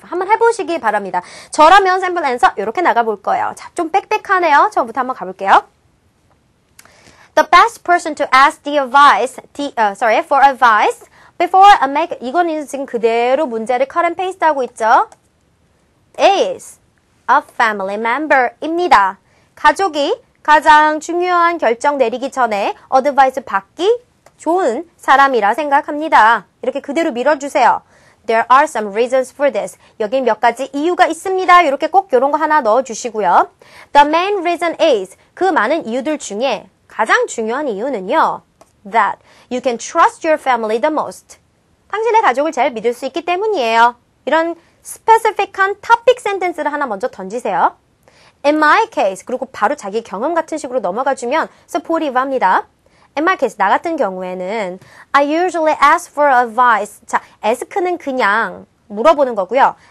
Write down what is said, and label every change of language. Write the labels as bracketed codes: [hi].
[ko] 한번 해보시기 바랍니다. 저라면 샘플 앤서 이렇게 나가볼 거예요. 자, 좀 빽빽하네요. 처음부터 한번 가볼게요. [en] The best person to ask the advice, for advice before I make, [ko] 이거는 지금 그대로 문제를 cut and paste 하고 있죠. [en] Is a family member [ko] 입니다. 가족이 가장 중요한 결정 내리기 전에 어드바이스 받기 좋은 사람이라 생각합니다. 이렇게 그대로 밀어주세요. [en] There are some reasons for this. [ko] 여기 몇 가지 이유가 있습니다. 이렇게 꼭 이런 거 하나 넣어주시고요. [en] The main reason is [ko] 그 많은 이유들 중에 가장 중요한 이유는요. [en] That you can trust your family the most. [ko] 당신의 가족을 제일 믿을 수 있기 때문이에요. 이런 스페시픽한 topic sentence를 하나 먼저 던지세요. [en] In my case, [ko] 그리고 바로 자기 경험 같은 식으로 넘어가주면 supportive 합니다. [en] In my case, [ko] 나 같은 경우에는 [en] I usually ask for advice. [ko] 자, ask는 그냥 물어보는 거고요.